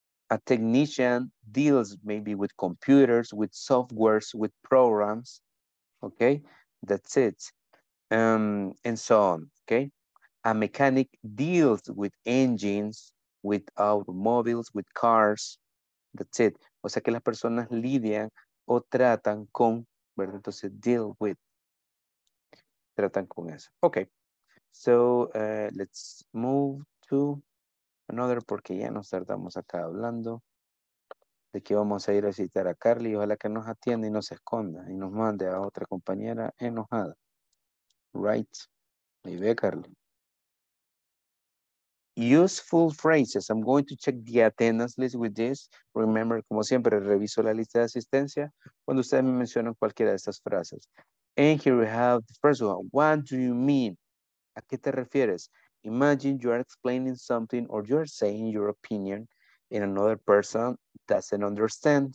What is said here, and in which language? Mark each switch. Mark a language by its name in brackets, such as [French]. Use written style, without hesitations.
[English] A technician deals maybe with computers, with softwares, with programs. Okay, that's it. And so on. Okay, a mechanic deals with engines, with automobiles, with cars. That's it. [Spanish] O sea que las personas lidian o tratan con, ¿verdad? Entonces, deal with. Tratan con eso. [English] Okay, so let's move to another [Spanish] porque ya nos tardamos acá hablando. De que vamos a ir a visitar a Carly, ojalá que nos atienda y no se esconda y nos mande a otra compañera enojada. Right. Ahí ve, Carly. [English] Useful phrases. I'm going to check the attendance list with this. [Spanish] Remember, como siempre, reviso la lista de asistencia cuando ustedes me mencionan cualquiera de estas frases. [English] And here we have the first one. What do you mean? [Spanish] ¿A qué te refieres? [English] Imagine you are explaining something or you are saying your opinion and another person doesn't understand.